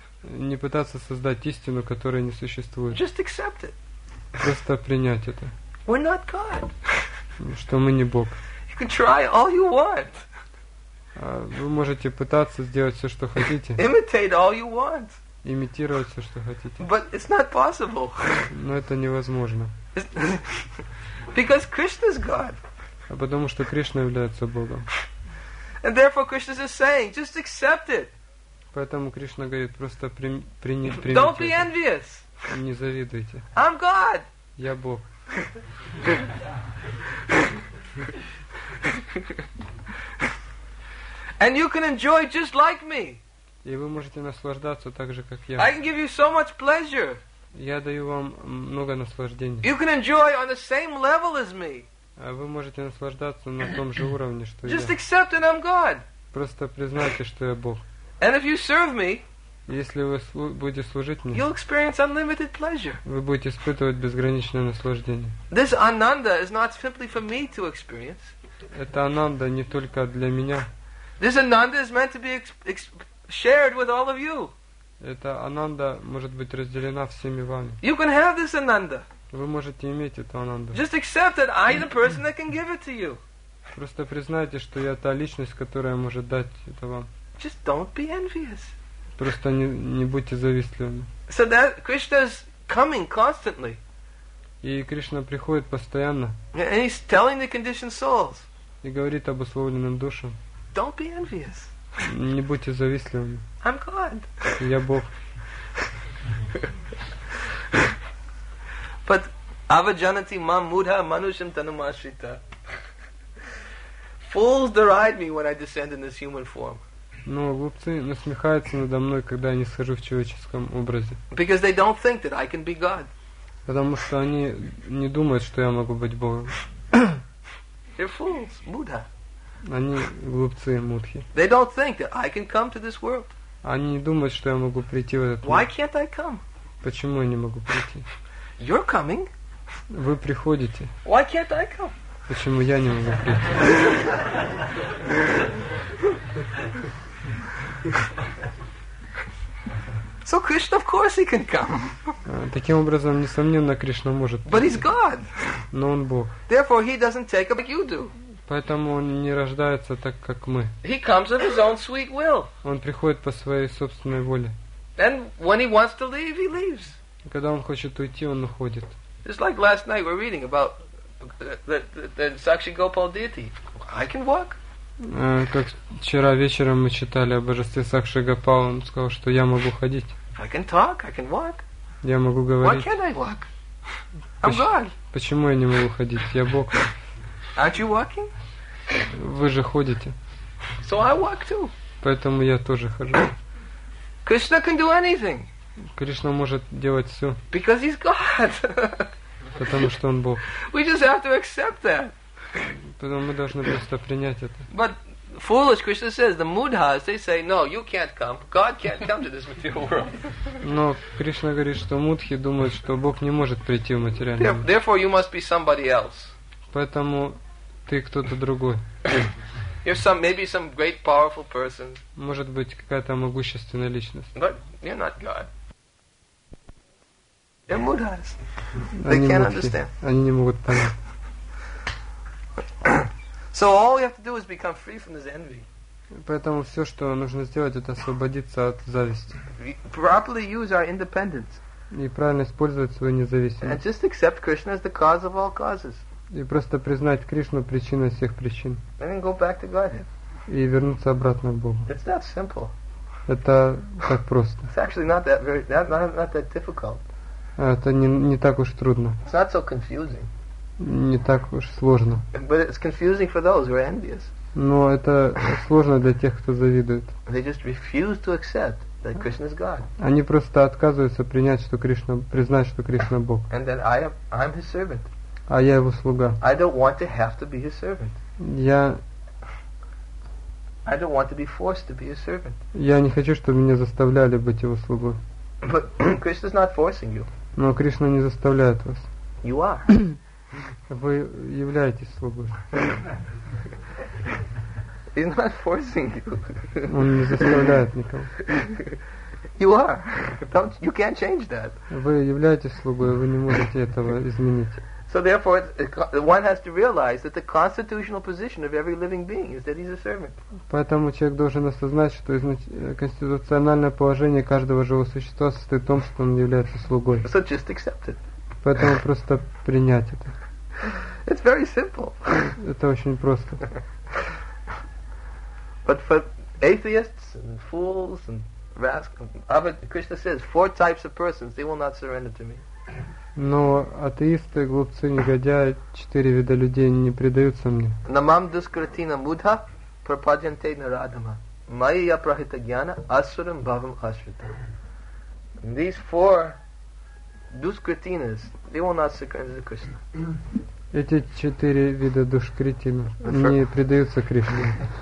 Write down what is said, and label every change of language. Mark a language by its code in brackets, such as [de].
[ru] Не пытаться создать истину, которая не существует. [en] Just accept it. [ru] Просто принять это. [en] We're not God. [ru] Что мы не Бог. [en] You can try all you want. [ru] Вы можете пытаться сделать все, что хотите. [en] Imitate all you want. [ru] Имитировать все, что хотите. [en] But it's not possible. [ru] Но это невозможно. [en] Because Krishna's God. [ru] А потому что Кришна является Богом. [en] And therefore Krishna is saying, just accept it. [ru] Поэтому Кришна говорит, просто примите. [en] Don't be envious. [ru] Не завидуйте. [en] I'm God. [ru] Я Бог. [en] And you can enjoy just like me. [ru] И вы можете наслаждаться так же, как я. [en] I can give you so much pleasure. [ru] Я даю вам много наслаждения. [en] You can enjoy on the same level as me. [ru] А вы можете наслаждаться на том же уровне, что [en] Just [ru] я. [en] Just accept that I'm God. [ru] Просто признайте, что я Бог. [en] And if you serve me, [ru] если вы будете служить мне, [en] you'll experience unlimited pleasure. [ru] Вы будете испытывать безграничное наслаждение. [en] This ananda is not simply for me to experience. [ru] Это ананда не только для меня. [en] This ananda is meant to be shared with all of you. [ru] Эта ананда может быть разделена всеми вами. [en] You can have this ananda. [ru] Вы можете иметь эту ананду. [en] Just accept that I'm the person that can give it to you. [ru] Просто признайте, что я та личность, которая может дать это вам. [en] Just don't be envious. [ru] Просто не будьте завистливыми. [en] So that Krishna's coming constantly. [ru] И Кришна приходит постоянно. [en] And he's telling the conditioned souls. [ru] И говорит об условленном душе. [en] Don't be envious. [ru] Не будьте завистливыми. [en] I'm God. [ru] Я Бог. [sa] But avajanati mam mudha manushyam tanumashrita. [en] Fools deride me when I descend in this human form. [ru] Но глупцы насмехаются надо мной, когда я не схожу в человеческом образе. [en] Because they don't think that I can be God. [ru] Потому что они не думают, что я могу быть Богом. [en] They're fools, mudha. [ru] Они глупцы, мудхи. [en] They don't think that I can come to this world. [ru] Они не думают, что я могу прийти в этот мир. [en] Why can't I come? [ru] Почему я не могу прийти? [en] You're coming. [ru] Вы приходите. [en] Why can't I come? [ru] Почему я не могу прийти? [en] So Krishna, of course, he can come. [ru] Таким образом, несомненно, Кришна может прийти. [en] But he's God. [ru] Но он Бог. [en] Therefore, he doesn't take up like you do. [ru] Поэтому он не рождается так, как мы. [en] He comes of his own sweet will. [ru] Он приходит по своей собственной воле. [en] And when he wants to leave, he leaves. [ru] Когда он хочет уйти, он уходит. [en] It's like last night we're reading about the Sakshi Gopal deity. I can walk. [ru] Как вчера вечером мы читали о божестве Сакши Гопал, он сказал, что я могу ходить. [en] I can talk, I can walk. [ru] Я могу говорить. [en] Why can't I walk? I'm God. [ru] Почему я не могу ходить? Я Бог. [en] Aren't you walking? [ru] Вы же ходите. [en] So I walk too. [ru] Поэтому я тоже хожу. [en] Krishna can do anything. [ru] Кришна может делать все. [en] Because he's God. [ru] Потому что он Бог. [en] We just have to accept that. [ru] Поэтому мы должны просто принять это. [en] But foolish Krishna says the mudhas, they say, no, you can't come. God can't come to this material world. [ru] Но Кришна говорит, что мудхи думают, что Бог не может прийти в материальный мир. [en] Therefore, you must be somebody else. [ru] Поэтому ты кто-то другой. [en] You're some, maybe some great powerful person. [ru] Может быть, какая-то могущественная личность. [en] But you're not God. They're mudhas. They can't understand. [ru] Они не могут понять. [en] So all you have to do is become free from this envy. [ru] Поэтому все, что нужно сделать, это освободиться от зависти. [en] Properly use our independence. [ru] И правильно использовать свою независимость. [en] And just accept Krishna as the cause of all causes. [ru] И просто признать Кришну причиной всех причин. [en] And then go back to Godhead. [ru] И вернуться обратно к Богу. [en] It's that simple. [ru] Это так просто. [en] It's actually not that very, not that difficult. [ru] Это не так уж трудно. [en] It's not so confusing. [ru] Не так уж сложно. [en] But it's confusing for those who are envious. [ru] Но это сложно для тех, кто завидует. [en] They just refuse to accept that Krishna is God. [ru] Они просто отказываются принять, что Кришна, признать, что Кришна Бог. [en] And that I'm his servant. [ru] А я его слуга. [en] I don't want to have to be his servant. I don't want to be forced to be his servant. [ru] Я не хочу, чтобы меня заставляли быть его слугой. [en] But Krishna is not forcing you. [ru] Но Кришна не заставляет вас. [en] You are. [ru] Вы являетесь слугой. [en] He's not forcing you. [ru] Он не заставляет никого. [en] You are. Don't, you can't change that. [ru] Вы являетесь слугой, вы не можете этого изменить. [en] So therefore, one has to realize that the constitutional position of every living being is that he's a servant. [ru] Поэтому человек должен осознать, что конституциональное положение каждого живого существа состоит в том, что он является слугой. [en] So just accept it. [ru] Поэтому просто принять это. [en] It's very simple. [ru] Это очень просто. [en] But for atheists and fools and rascals, Krishna says four types of persons they will not surrender to me. [ru] Но атеисты, глупцы, негодяи, четыре вида людей не предаются мне. [sa] Намам дускратина мудха пропаджанте нарадама. Майя Прахита Гьяна, Асурам Бхавам Ашрита. [en] These four Душкритинас, they will not succumb to Krishna. [ru] Эти четыре вида Душкритина не предаются Кришне.